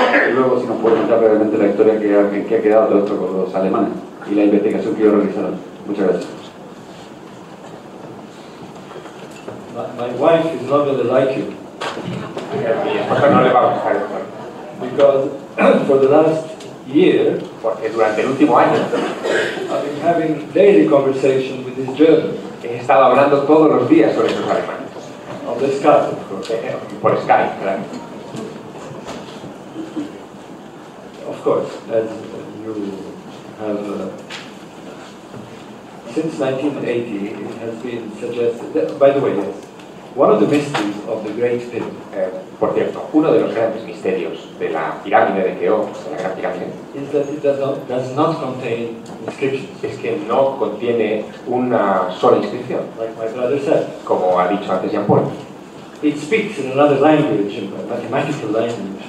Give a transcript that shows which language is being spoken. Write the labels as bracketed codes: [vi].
[es] Y luego, si nos puede contar brevemente la historia que ha quedado de los alemanes y la investigación que ellos realizaron. Muchas gracias. [en] My wife is not going to like you. [es] No le va a gustar. [en] Because for the last year, [es] porque durante el último año, [en] I've been having daily conversation with this German. [es] He estado hablando todos los días con estos alemanes. [en] On the Skype, of course. [es] Por Skype, claro. [en] Of course, as you have, since 1980, it has been suggested. That, by the way, yes. One of the mysteries of the Great Pyramid. [es] Por cierto, uno de los grandes misterios de la pirámide de Keops, de la gran pirámide, [en] is that it does not contain inscriptions. [es] Es que no contiene una sola inscripción. [en] Like my brother said. [es] Como ha dicho antes Jean Paul. [en] It speaks in another language, in a mathematical language.